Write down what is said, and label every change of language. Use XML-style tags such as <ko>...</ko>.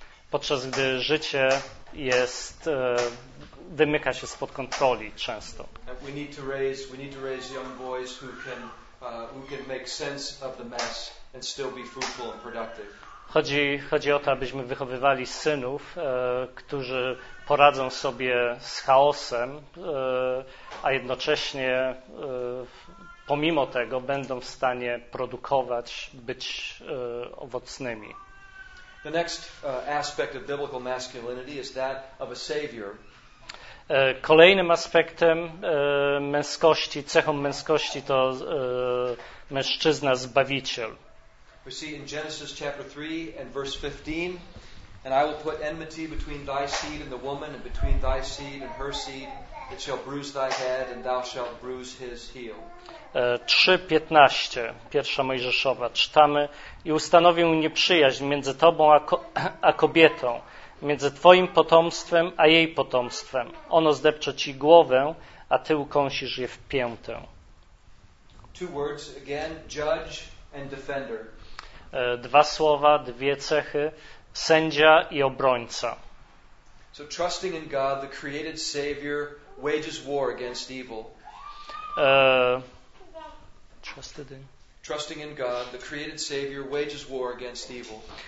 <pl>Podczas gdy życie jest wymyka się spod kontroli często.</pl> <en>We need to raise young boys who can make sense of the mess and still be fruitful and productive.</en> <pl>Chodzi o to, abyśmy wychowywali synów, którzy poradzą sobie z chaosem, a jednocześnie pomimo tego będą w stanie produkować, być owocnymi.</pl> <en>The next aspect of biblical masculinity is that of a savior.</en> <pl>Kolejnym aspektem męskości, cechą męskości to mężczyzna zbawiciel.</pl> <en>We see in Genesis chapter 3 and verse 15, and I will put enmity between thy seed and the woman, and between thy seed and her seed, it shall bruise thy head, and thou shalt bruise his heel.</en> <pl>3:15, pierwsza Mojżeszowa, czytamy: i ustanowię nieprzyjaźń między tobą a kobietą, między twoim potomstwem a jej potomstwem. Ono zdepcze ci głowę, a ty ukąsisz je w piętę.</pl> <en>Two words again, judge and defender.</en> <pl>Dwa słowa, dwie cechy, sędzia i obrońca.</pl> <en>So trusting in God, the created Savior wages war against evil. trusted in. Trusting in God, the created Savior, wages war against evil.</en>